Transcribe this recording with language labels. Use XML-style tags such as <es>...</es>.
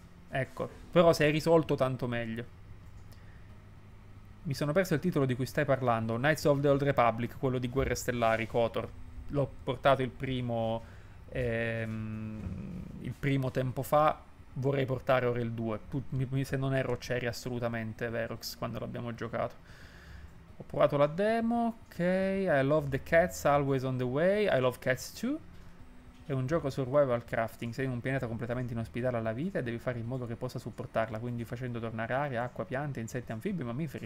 <it>Ecco, però se è risolto tanto meglio. Mi sono perso il titolo di cui stai parlando, Knights of the Old Republic, quello di Guerre Stellari, Kotor. L'ho portato il primo tempo fa, vorrei portare ora il 2. Se non erro c'eri assolutamente, Verox, quando l'abbiamo giocato. Ho provato la demo, ok.</it> <en>I love the cats, always on the way. I love cats too.</en> <it>È un gioco survival crafting. Sei in un pianeta completamente inospitale alla vita e devi fare in modo che possa supportarla, quindi facendo tornare aria, acqua, piante, insetti, anfibi, mammiferi.</it>